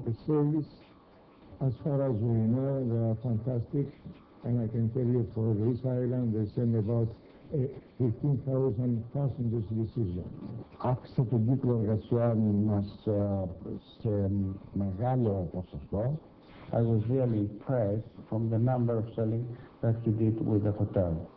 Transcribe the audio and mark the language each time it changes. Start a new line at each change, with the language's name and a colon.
English: The service, as far as we know, they are fantastic, and I can tell you for this island, they send about 15,000 passengers this season.
Greek: Άφησε τον κύκλο εργασιών μας σε μεγάλο ποσοστό.
English: I was really impressed from the number of selling that he did with the hotel.